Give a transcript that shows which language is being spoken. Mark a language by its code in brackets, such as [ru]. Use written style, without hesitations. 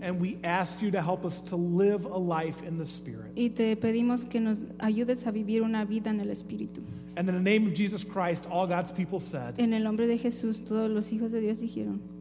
[en] And we ask you to help us to live a life in the Spirit. [es] Y te pedimos que nos ayudes a vivir una vida en el Espíritu. [en] And in the name of Jesus Christ, all God's people said. [es] En el nombre de Jesús, todos los hijos de Dios dijeron.